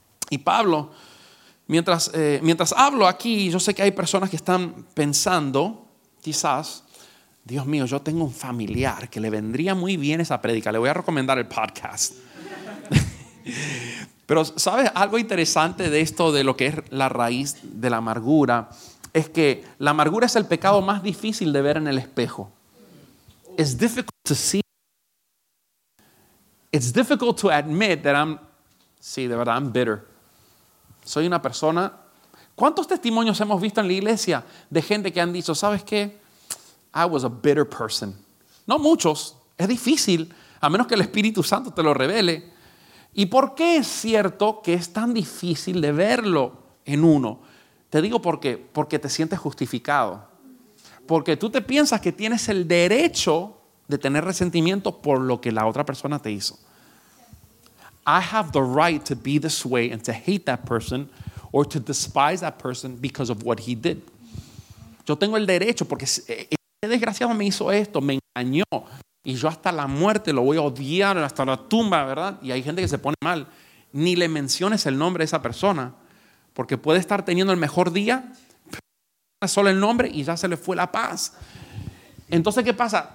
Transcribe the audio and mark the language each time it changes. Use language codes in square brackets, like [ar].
[es] Y Pablo, mientras hablo aquí, yo sé que hay personas que están pensando, quizás, Dios mío, yo tengo un familiar que le vendría muy bien esa prédica, le voy a recomendar el podcast. Pero ¿sabes algo interesante de esto, de lo que es la raíz de la amargura? Es que la amargura es el pecado más difícil de ver en el espejo. [en] It's difficult to see. It's difficult to admit that I'm, [es] sí, de verdad, [en] I'm bitter. [es] Soy una persona. ¿Cuántos testimonios hemos visto en la iglesia de gente que han dicho, ¿sabes qué? [en] I was a bitter person. [es] No muchos. Es difícil, a menos que el Espíritu Santo te lo revele. ¿Y por qué es cierto que es tan difícil de verlo en uno? Te digo por qué. Porque te sientes justificado. Porque tú te piensas que tienes el derecho de tener resentimiento por lo que la otra persona te hizo. [en] I have the right to be this way and to hate that person or to despise that person because of what he did. [es] Yo tengo el derecho porque ese desgraciado me hizo esto, me engañó. Y yo hasta la muerte lo voy a odiar, hasta la tumba, ¿verdad? Y hay gente que se pone mal. Ni le menciones el nombre de esa persona, porque puede estar teniendo el mejor día, pero solo el nombre y ya se le fue la paz. Entonces, ¿qué pasa?